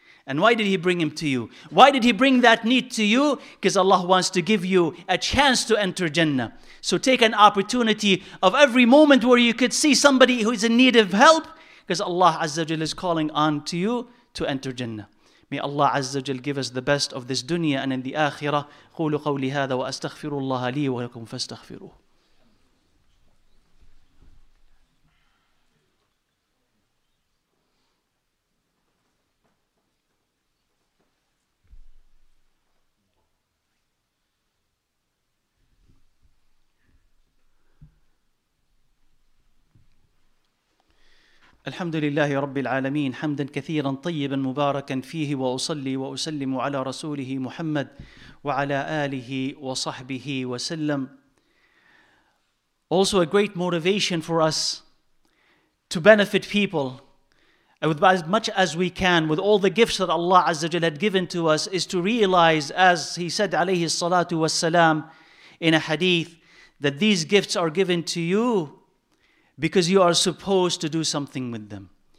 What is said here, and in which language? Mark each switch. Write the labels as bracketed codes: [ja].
[en] And why did He bring him to you? Why did He bring that need to you? Because Allah wants to give you a chance to enter Jannah. So take an opportunity of every moment where you could see somebody who is in need of help, because Allah Azza wa Jalla is calling on to you to enter Jannah. May Allah Azza wa Jalla give us the best of this dunya and in the akhirah. [ar] قولوا قولي هذا واستغفروا الله لي ولكم فاستغفروه. الحمد لله رب العالمين حمدا كثيرا طيبا مباركا فيه وأصلي وأسلم على رسوله محمد وعلى آله وصحبه وسلم. [en] Also a great motivation for us to benefit people with as much as we can, with all the gifts that Allah Azza wa Jalla had given to us, is to realize, as he said [ar] عليه الصلاة والسلام [en] in a hadith, that these gifts are given to you because you are supposed to do something with them.